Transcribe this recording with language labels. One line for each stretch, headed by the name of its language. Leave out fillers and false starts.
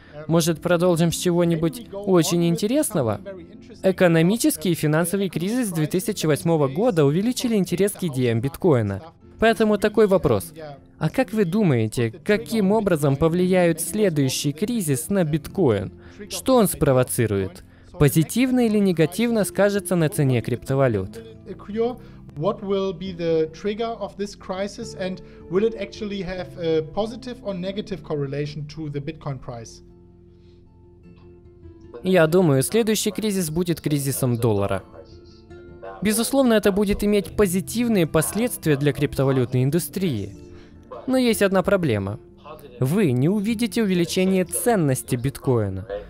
Russian: Может, продолжим с чего-нибудь очень интересного? Экономический и финансовый кризис 2008 года увеличили интерес к идеям биткоина. Поэтому такой вопрос. А как вы думаете, каким образом повлияет следующий кризис на биткоин? Что он спровоцирует? Позитивно или негативно скажется на цене криптовалют?
English: What will be the trigger of this crisis and will it actually have a positive or negative correlation to the Bitcoin price?
Russian: Я думаю, следующий кризис будет кризисом доллара. Безусловно, это будет иметь позитивные последствия для криптовалютной индустрии. Но есть одна проблема. Вы не увидите увеличение ценности биткоина.